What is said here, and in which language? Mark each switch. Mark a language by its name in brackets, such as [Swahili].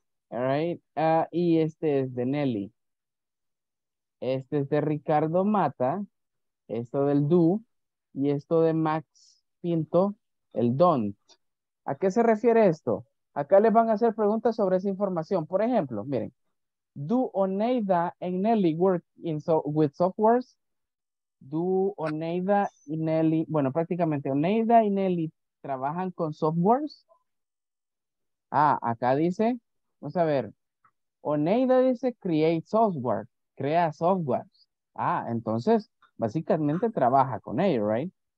[Spanish] All right. Y este es de Nelly. Este es de Ricardo Mata. Esto del Du. Y esto de Max Pinto, el Don't. ¿A qué se refiere esto? Acá les van a hacer preguntas sobre esa información. Por ejemplo, miren. [English] Do Oneida and Nelly work in with softwares? [Spanish] Do Oneida y Nelly, bueno, prácticamente Oneida y Nelly trabajan con softwares? Ah, acá dice, vamos a ver. Oneida dice [English] create software, [Spanish] crea softwares. Ah, entonces básicamente trabaja con ellos, right?